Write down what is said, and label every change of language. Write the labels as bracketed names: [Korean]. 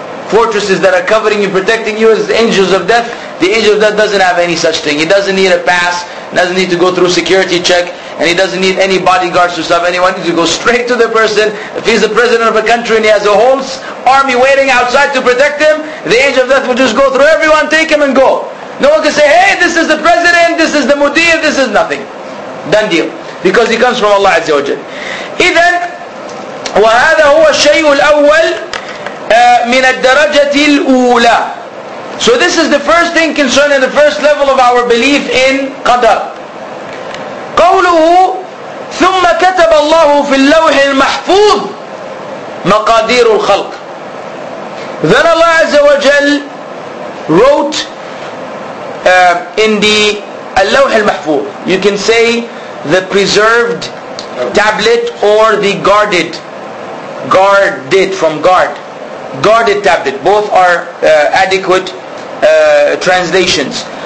[English] Fortresses that are covering you, protecting you, as the angels of death. The angel of death doesn't have any such thing. He doesn't need a pass, doesn't need to go through security check, and he doesn't need any bodyguards to stop anyone. He needs to go straight to the person. If he's the president of a country and he has a whole army waiting outside to protect him, the angel of death will just go through everyone, take him and go. No one can say, hey, this is the president, this is the mudir, this is nothing. Done deal. Because he comes from Allah Azza wa Jal. [Arabic] إذن وهذا هو الشيء الأول من الدرجة الأولى. [English] So this is the first thing concerning the first level of our belief in Qadr. قوله [Arabic] ثم كتب الله في اللوح المحفوظ مقادير الخلق. [English] Then Allah Azza wa Jal wrote in the اللوح المحفوظ. You can say the preserved tablet or the guarded. Guarded from guard. Guarded tablet. Both are adequate translations.